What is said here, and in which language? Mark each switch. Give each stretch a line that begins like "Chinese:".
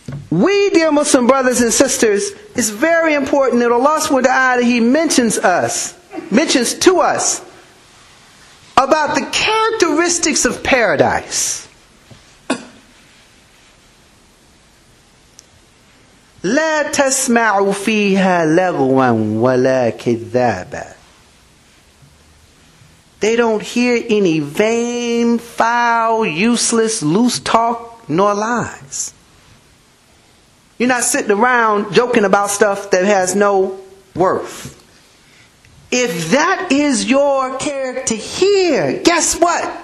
English: We, dear Muslim brothers and sisters, it's very important that Allah subhanahu wa ta'ala, He mentions to us about the characteristics of paradise.
Arabic: لا تسمع فيها لغوا ولا كذابا.
English: They don't hear any vain, foul, useless, loose talk, nor lies. You're not sitting around joking about stuff that has no worth. If that is your character here, guess what?